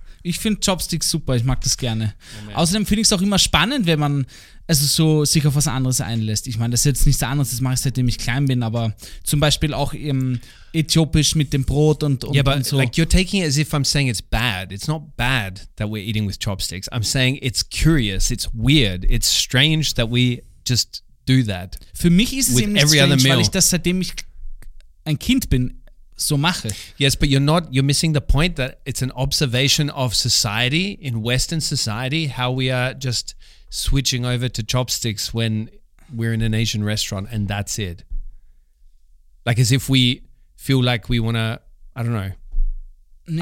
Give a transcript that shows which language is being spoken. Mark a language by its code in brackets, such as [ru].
[de] Ich finde Chopsticks super, ich mag das gerne. Moment. Außerdem finde ich es auch immer spannend, wenn man also so sich auf was anderes einlässt. Ich meine, das ist jetzt nichts anderes, das mache ich seitdem ich klein bin, aber zum Beispiel auch im Äthiopisch mit dem Brot und, [en] yeah, but [de] und so. [en] Like you're taking it as if I'm saying it's bad. It's not bad that we're eating with chopsticks. I'm saying it's curious, it's weird, it's strange that we just do that. [de] Für mich ist es eben nicht strange, weil ich das seitdem ich ein Kind bin, so mache. [en] Yes, but you're missing the point that it's an observation of society, in Western society, how we are just switching over to chopsticks when we're in an Asian restaurant and that's it. Like as if we feel like we want to, I don't know. Nee.